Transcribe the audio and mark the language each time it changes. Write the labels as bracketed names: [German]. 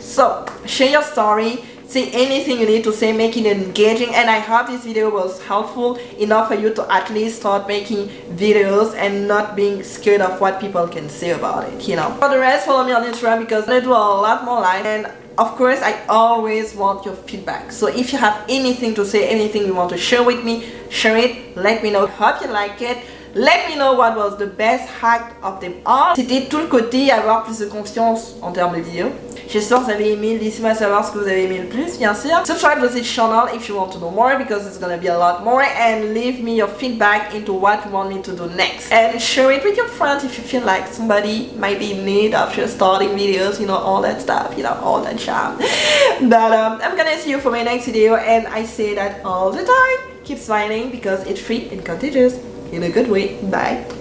[English] So, share your story, say anything you need to say, make it engaging, and I hope this video was helpful enough for you to at least start making videos and not being scared of what people can say about it, you know. For the rest, follow me on Instagram because I do a lot more live, and of course, I always want your feedback. So if you have anything to say, anything you want to share with me, share it, let me know. Hope you like it. Let me know what was the best hack of them all. [French] C'était tout le côté avoir plus de confiance en termes de vidéo. J'espère que vous avez aimé. Laissez-moi savoir ce que vous avez aimé le plus, bien sûr. [English] Subscribe to this channel if you want to know more because it's gonna be a lot more. And leave me your feedback into what you want me to do next. And share it with your friends if you feel like somebody might be in need of just starting videos, you know, all that stuff, you know, all that charm. But I'm gonna see you for my next video. And I say that all the time. Keep smiling because it's free and contagious. In a good way. Bye.